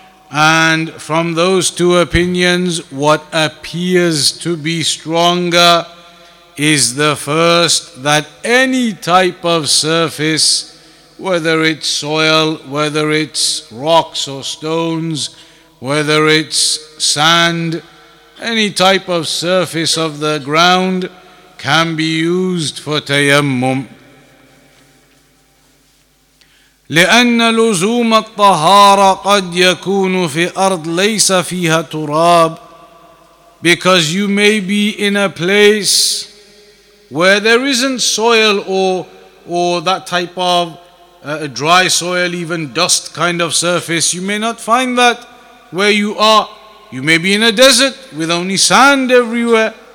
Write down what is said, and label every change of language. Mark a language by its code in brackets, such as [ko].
[en] And from those two opinions, what appears to be stronger is the first, that any type of surface, whether it's soil, whether it's rocks or stones, whether it's sand, any type of surface of the ground can be used for tayammum. [ar] لأن لزوم الطهارة قد يكون في أرض ليس فيها تراب. [en] Because you may be in a place where there isn't soil or that type of dry soil, even dust kind of surface. You may not find that where you are. You may be in a desert with only sand everywhere.